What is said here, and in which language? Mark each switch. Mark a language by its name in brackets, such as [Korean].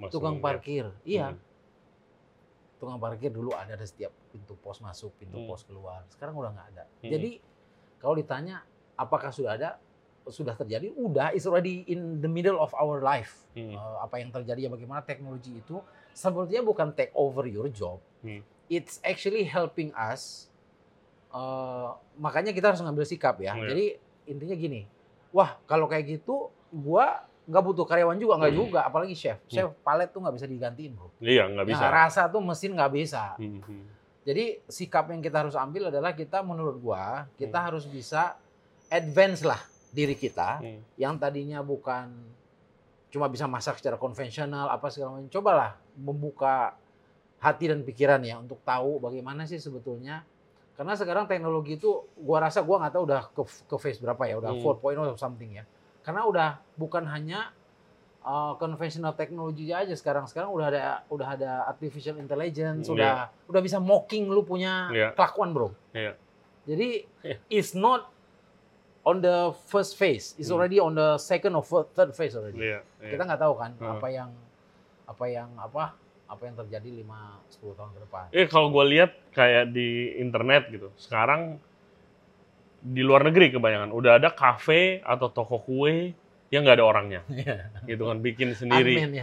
[Indonesian] Tukang parkir, tukang parkir dulu ada setiap pintu pos masuk, pintu pos keluar. Sekarang udah nggak ada. Jadi kalau ditanya apakah sudah ada, sudah terjadi, udah, [English] it's already in the middle of our life. [Indonesian] Apa yang terjadi ya, bagaimana teknologi itu sebetulnya bukan [English] take over your job. It's actually helping us. [Indonesian] Makanya kita harus ngambil sikap ya. Jadi intinya gini, wah kalau kayak gitu gua nggak butuh karyawan juga, nggak juga, apalagi chef. Chef palet tuh nggak bisa digantiin bro. Iya, nggak bisa. Nah, rasa tuh mesin nggak bisa. Jadi sikap yang kita harus ambil adalah kita, menurut gua, kita harus bisa advance lah diri kita. Yang tadinya bukan cuma bisa masak secara konvensional apa segala macam. Cobalah membuka hati dan pikiran ya untuk tahu bagaimana sih sebetulnya. Karena sekarang teknologi itu gua rasa gua enggak tahu udah ke phase berapa ya, udah 4.0 atau something ya. Karena udah bukan hanya conventional technology aja sekarang. Sekarang udah ada artificial intelligence, udah bisa mocking lu punya kelakuan, bro. [English] Jadi it's not on the first phase, it's already on the second or third phase already. [Indonesian] Kita enggak tahu kan apa yang terjadi 5-10 tahun ke depan. Kalau gua lihat kayak di internet gitu. Sekarang di luar negeri kebanyakan udah ada kafe atau toko kue yang enggak ada orangnya. Gitu kan, bikin sendiri.